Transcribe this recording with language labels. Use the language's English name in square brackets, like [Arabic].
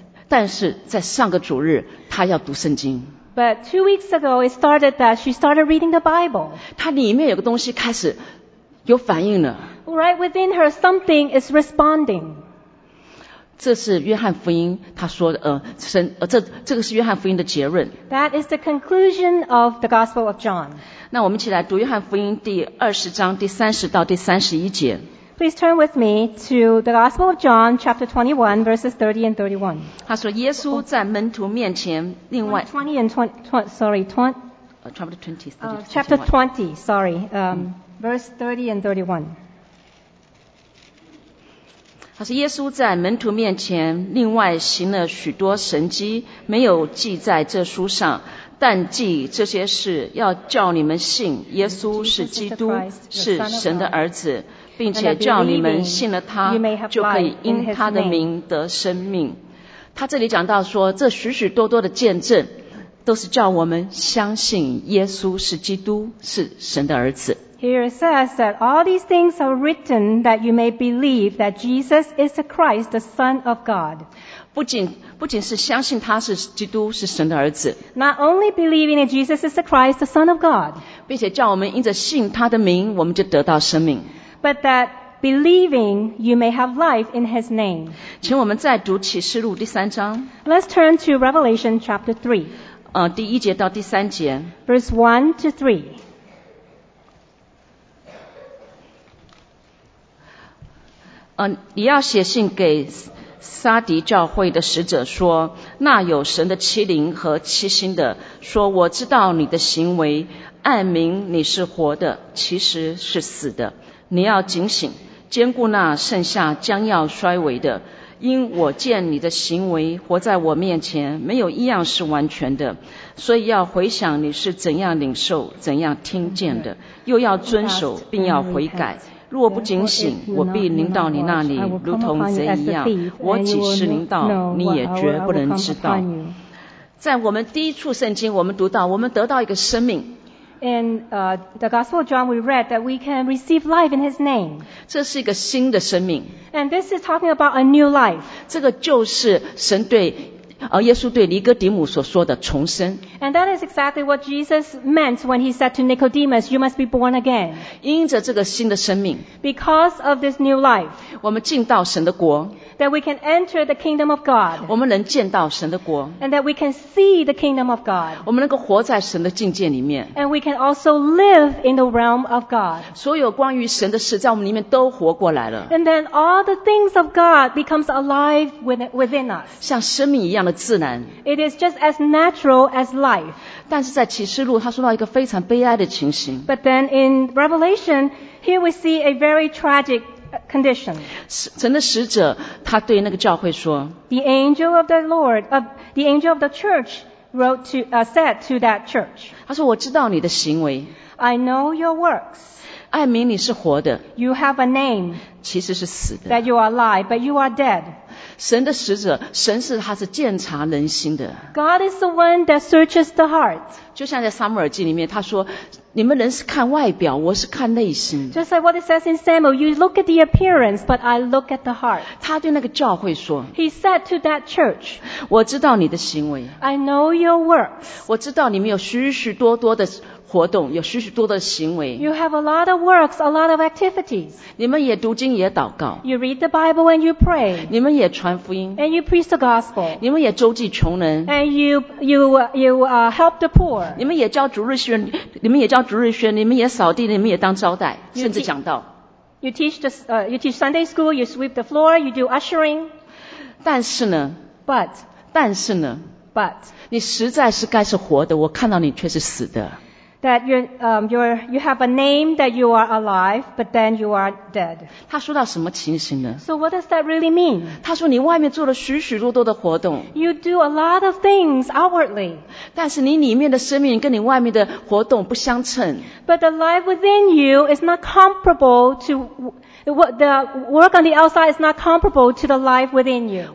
[Chinese] 但是在上个主日，她要读圣经。 [English] But 2 weeks ago, she started reading the Bible. [Chinese] 她里面有个东西开始有反应了。 [English] Right within her, something is responding. [Chinese] 这是约翰福音他说这个是约翰福音的结论。 [English] That is the conclusion of the Gospel of John. [Chinese] 那我们一起来读约翰福音第20章第30到第31节。 [English] Please turn with me to the Gospel of John, chapter 21, verses 30 and 31. [Chinese] 他说耶稣在门徒面前另外。 [English] Chapter 20, verse 30 and 31. [Chinese] 他说耶稣在门徒面前另外行了许多神迹，没有记在这书上，但记这些事，要叫你们信耶稣是基督，是神的儿子，并且叫你们信了他，就可以因他的名得生命。他这里讲到说，这许许多多的见证，都是叫我们相信耶稣是基督，是神的儿子。 [English] Here it says that all these things are written that you may believe that Jesus is the Christ, the Son of God. [Chinese] 不仅是相信他是基督，是神的儿子。 [English] Not only believing that Jesus is the Christ, the Son of God. [Chinese] 并且叫我们因着信他的名，我们就得到生命。 [English] But that believing you may have life in His name. [Chinese] 请我们再读启示录第三章。 [English] Let's turn to Revelation chapter 3. [Chinese] 第一节到第三节。 [English] Verse 1-3. [Chinese] 你要写信给撒迪教会的使者说，那有神的七灵和七星的说，我知道你的行为，暗明你是活的，其实是死的。你要警醒，坚固那剩下将要衰微的，因我见你的行为活在我面前，没有一样是完全的，所以要回想你是怎样领受，怎样听见的，又要遵守，并要悔改。若不警醒，我必临到你那里，如同贼一样。我几时临到，你也绝不能知道。在我们第一处圣经，我们读到，我们得到一个生命。 [English] In the Gospel of John, we read that we can receive life in His name. [Chinese] 这是一个新的生命。 [English] And this is talking about a new life. [Chinese] 这个就是神对耶稣对尼哥底母所说的重生。 [English] And that is exactly what Jesus meant when he said to Nicodemus, you must be born again. [Chinese] 因着这个新的生命。 [English] Because of this new life. [Chinese] 我们进到神的国。 [English] That we can enter the kingdom of God. [Chinese] 我们能见到神的国。 [English] And that we can see the kingdom of God. [Chinese] 我们能够活在神的境界里面。 [English] And we can also live in the realm of God. [Chinese] 所有关于神的事在我们里面都活过来了。 [English] And then all the things of God becomes alive within us. [Chinese] 像生命一样的自然。 [English] It is just as natural as life. [Chinese] 但是在启示录他说到一个非常悲哀的情形。 [English] But then in Revelation, here we see a very tragic condition. [Chinese] 神的使者他对那个教会说 [English] The angel of the Lord, the angel of the church wrote to, said to that church. [Chinese] 他说我知道你的行为。 [English] I know your works. [Chinese] 爱民你是活的。 [English] You have a name. [Chinese] 其实是死的。 [English] That you are alive, but you are dead. [Chinese] 神的使者，神是他是鉴察人心的。 [English] God is the one that searches the heart. [Chinese] 就像在撒母耳记里面，他说：“你们人是看外表，我是看内心。” [English] Just like what it says in Samuel, you look at the appearance, but I look at the heart. [Chinese] 他对那个教会说 [English] ：“He said to that church, [Chinese] 我知道你的行为。 [English] I know your works. [Chinese] 我知道你们有许许多多的。” 活动有许许多的行为。 [English] You have a lot of works, a lot of activities. [Chinese] 你们也读经，也祷告。 [English] You read the Bible and you pray. [Chinese] 你们也传福音。 [English] And you preach the gospel. [Chinese] 你们也周济穷人。 [English] And you help the poor. [Chinese] 你们也教主日学，你们也教主日学，你们也扫地，你们也当招待，甚至讲道。 [English] You teach Sunday school. You sweep the floor. You do ushering. [Chinese] 但是呢 [English] ，But [Chinese] 但是呢 [English] ，But [Chinese] 你实在是该是活的，我看到你却是死的。 [English] That you have a name that you are alive, but then you are dead. [Chinese] 他说到什么情形呢 [English] ？So what does that really mean? [Chinese] 他说你外面做了许许多多的活动。 [English] You do a lot of things outwardly. [Chinese] 但是你里面的生命跟你外面的活动不相称。 [English] But the life within you is not comparable to what the work on the outside is not comparable to the life within you.